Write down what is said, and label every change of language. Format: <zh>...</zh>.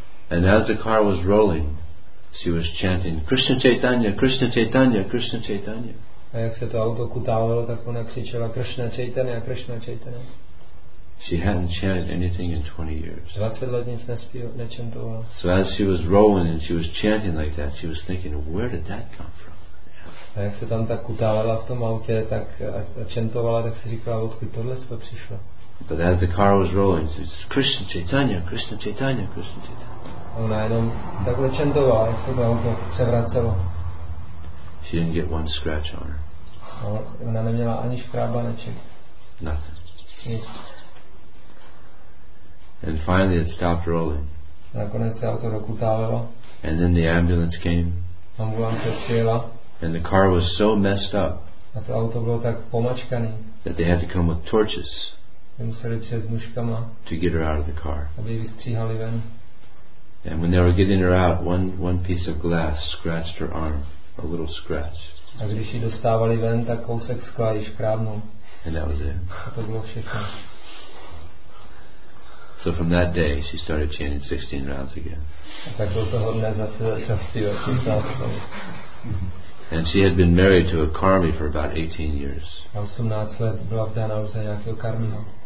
<en>And as the car was rolling, she was chanting, Krishna Chaitanya, Krishna Chaitanya, Krishna Chaitanya.</en> <cs>A jak se to auto kutálilo, tak ona křičela, Krishna Chaitanya, Krishna Chaitanya.</cs> <en>She hadn't chanted anything in 20 years.</en> <cs>20 let nic nechantovala.</cs> <en>So as she was rolling and she was chanting like that, she was thinking, where did that come from? Yeah.</en> <cs>A jak se tam tak kutálela v tom autě, tak a chantovala, tak si říkala, odkud tohle se přišlo.</cs> <en>But as the car was rolling, she said, Krishna Chaitanya, Krishna Chaitanya, Krishna Chaitanya.</en> <cs>Ona jenom takhle chantovala, jak se to auto převracelo.</cs> <en>She didn't get one scratch on her.</en> <cs>Ona neměla ani škrábaneček.</cs> <en>Nothing.</en> <cs>Nic.</cs> <en>And finally it stopped rolling.</en> <cs>Nakonec se auto rokutávalo.</cs> <en>And then the ambulance came.</en> <cs>Ambulance přijela.</cs> <en>And the car was so messed up.</en> <cs>A to auto bylo tak pomačkané.</cs> <en>That they had to come with torches.</en> <cs>Museli přijet s nůžkama.</cs> <en>To get her out of the car.</en> <cs>Aby ji vystříhali ven.</cs> <en>And when they were getting her out, one piece of glass scratched her arm, a little scratch.</en> <cs>A když ji dostávali ven, tak kousek skla ji škrábnul.</cs> <en>And that was it.</en> <cs>A to bylo všechno.</cs> <en>So from that day, she started chanting 16 rounds again.</en> <cs>A tak do toho dne zase začala zpívat</cs> <en>16 rounds. And she had been married to a karmi for about 18 years.</en> <cs>A 18 let byla vdaná už za nějakého karmiho.</cs>